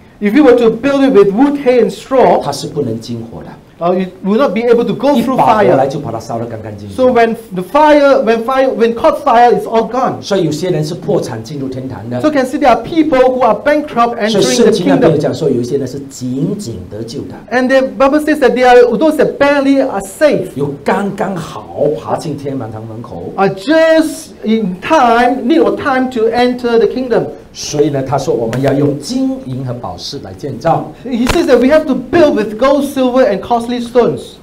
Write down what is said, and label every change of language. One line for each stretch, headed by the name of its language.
English: If we were to build it with wood, hay and straw，
Chinese: 它是不能经火的。
English: You will not be able to go through fire.
Chinese: 一把火来就把它烧得干干净净。
English: So when caught fire, it's all gone.
Chinese: 所以有些人是破产进入天堂的。
English: So can see there are people who are bankrupt entering the kingdom.
Chinese: 所以圣经那边讲说有一些人是紧紧得救的。
English: And the Bible says that there are those that barely are safe.
Chinese: 有刚刚好爬进天堂门口。
English: Are just in time, need a time to enter the kingdom.
Chinese: 所以呢，他说我们要用金银和宝石来建造。
English: He says that we have to build with gold, silver, and costly stones.